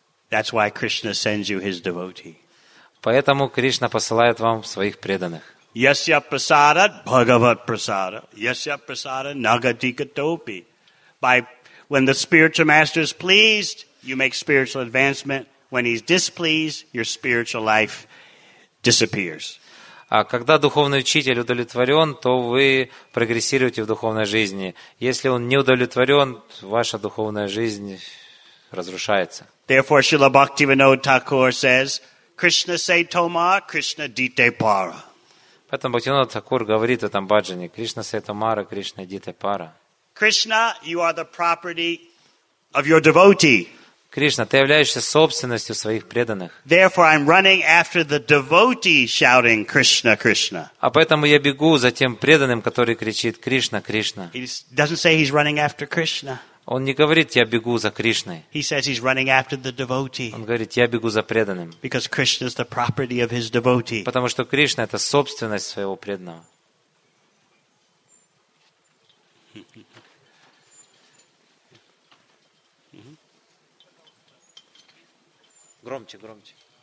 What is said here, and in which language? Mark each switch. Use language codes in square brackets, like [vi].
[en] That's why Krishna sends you his devotee. [ru] Поэтому Кришна посылает вам своих преданных. [sa] Yasya prasada bhagavat prasada yasya prasada nagatikatopi. [en] By when the spiritual master is pleased, you make spiritual advancement. When he's displeased, your spiritual life disappears. [ru] А когда духовный учитель удовлетворен, то вы прогрессируете в духовной жизни. Если он не удовлетворен, ваша духовная жизнь разрушается. [en] Therefore, Srila Bhaktivinoda Thakur says, [bn] Krishna se toma, Krishna dite para. [ru] Поэтому Бхактивинода Такур говорит в этом баджане, [bn] Krishna se toma, Krishna dite para. [en] Krishna, you are the property of your devotee. [ru] Кришна, ты являешься собственностью своих преданных. [en] Therefore, I'm running after the devotee shouting Krishna, Krishna. [ru] А поэтому я бегу за тем преданным, который кричит Кришна, Кришна. [en] He doesn't say he's running after Krishna. [ru] Он не говорит, я бегу за Кришной. [en] He says he's running after the devotee. [ru] Он говорит, я бегу за преданным. [en] Because Krishna is the property of his devotee. [ru] Потому что Кришна это собственность своего преданного. Громче, громче.